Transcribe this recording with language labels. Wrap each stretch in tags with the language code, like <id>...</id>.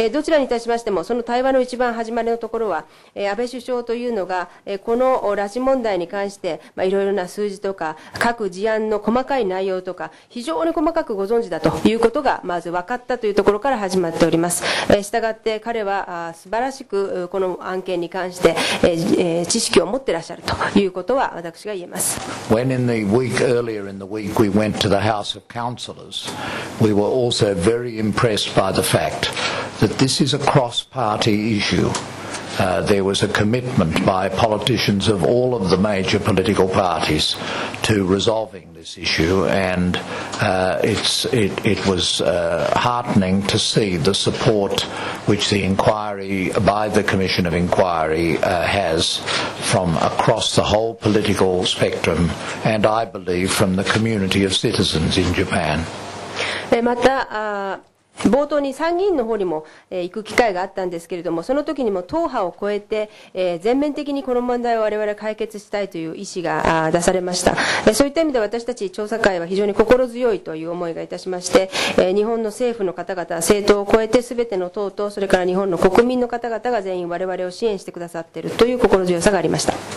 <ja>どちらにいたしましても、その対話の一番始まりのところは安倍首相というのがこの拉致問題に関していろいろな数字とか各事案の細かい内容とか非常に細かくご存知だということがまず分かったというところから始まっております。したがって彼は素晴らしくこの案件に関して知識を持っていらっしゃるということは私が言えます。</ja> <en>When in the week, earlier in the week, we went to the House of Councillors, we were also very impressed by the fact that this is a cross-party issue. There was a commitment by politicians of all of the major political parties to resolving this issue, and it was heartening to see the support which the inquiry by the Commission of Inquiry has from across the whole political spectrum, and I believe from the community of citizens in Japan.</en> <ja>また冒頭に参議院の方にも行く機会があったんですけれども、その時にも党派を超えて全面的にこの問題を我々解決したいという意思が出されました。そういった意味で私たち調査会は非常に心強いという思いがいたしまして、日本の政府の方々、政党を超えて全ての党と、それから日本の国民の方々が全員我々を支援してくださっているという心強さがありました。</ja>